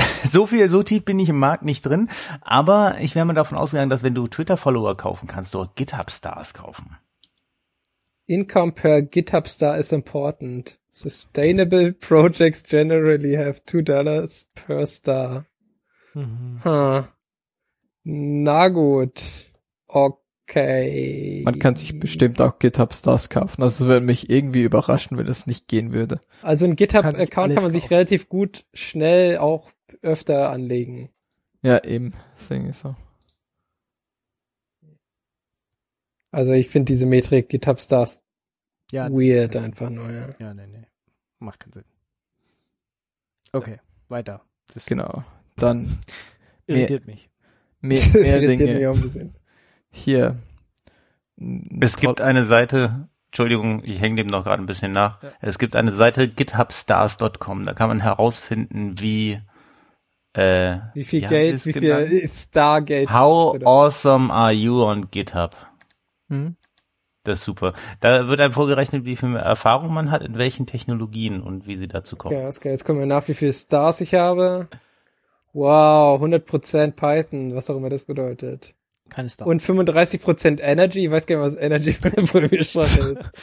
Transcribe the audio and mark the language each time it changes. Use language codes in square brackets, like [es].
[de] So tief bin ich im Markt nicht drin, aber ich wäre mal davon ausgegangen, dass wenn du Twitter-Follower kaufen kannst, du auch GitHub-Stars kaufen. [en] Income per GitHub-Star is important. Sustainable projects generally have $2 per star. [de] Mhm. Na gut. Okay. Man kann sich bestimmt auch GitHub-Stars kaufen. Also es würde mich irgendwie überraschen, wenn das nicht gehen würde. Also ein GitHub-Account kann man sich relativ gut schnell auch öfter anlegen. Ja, eben, deswegen ist so. Also ich finde diese Metrik GitHub Stars ja, weird einfach nur, ja. Ja, nee, nee. Macht keinen Sinn. Okay, ja. Weiter. Das genau, dann irritiert mich. Mehr Dinge. Mich hier. Es gibt eine Seite, Entschuldigung, ich hänge dem noch gerade ein bisschen nach. Ja. Es gibt eine Seite githubstars.com, da kann man herausfinden, wie viel Stargeld. [en] How awesome are you on GitHub? [de] Hm? Das ist super. Da wird einem vorgerechnet, wie viel Erfahrung man hat, in welchen Technologien und wie sie dazu kommen. Ja, okay, ist geil. Jetzt kommen wir nach, wie viele Stars ich habe. Wow, 100% Python, was auch immer das bedeutet. Keine Stars. Und 35% Energy. Ich weiß gar nicht, was Energy von der Programmierschreibe ist.